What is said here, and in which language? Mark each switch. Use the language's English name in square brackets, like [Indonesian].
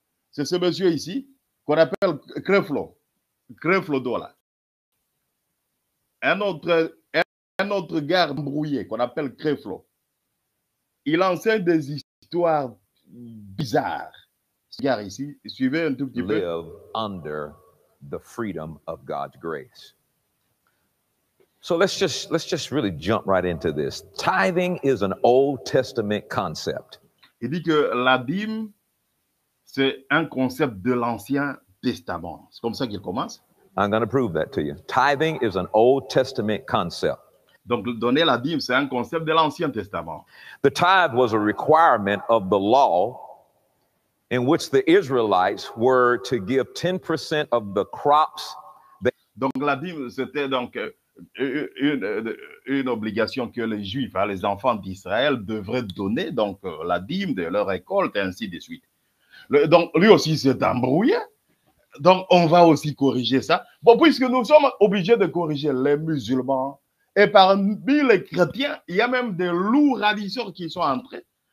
[French] C'est ce monsieur ici qu'on appelle Creflo Dola. Un autre, un autre gars embrouillé qu'on appelle Créflo. Il enseigne des histoires bizarres. Ce gars ici, suivez un tout petit peu. [English] Live under the freedom of God's grace. So let's just really jump right into this. Tithing is an Old Testament concept. [French] Il dit que la dîme, c'est un concept de l'Ancien Testament. C'est comme ça qu'il commence. [English] I'm going to prove that to you. Tithing is an Old Testament concept. [French] Donc, donner la dîme, c'est un concept de l'Ancien Testament. [English] The tithe was a requirement of the law in which the Israelites were to give 10% of the crops. [French] Donc, la dîme, c'était donc une obligation que les Juifs, les enfants d'Israël, devraient donner, donc la dîme de leur récolte, et ainsi de suite. Donc, lui aussi s'est embrouillé. Donc, on va aussi corriger ça. Bon, puisque nous sommes obligés de corriger les musulmans, et parmi les chrétiens, il y a même des loups ravisseurs qui sont entrés.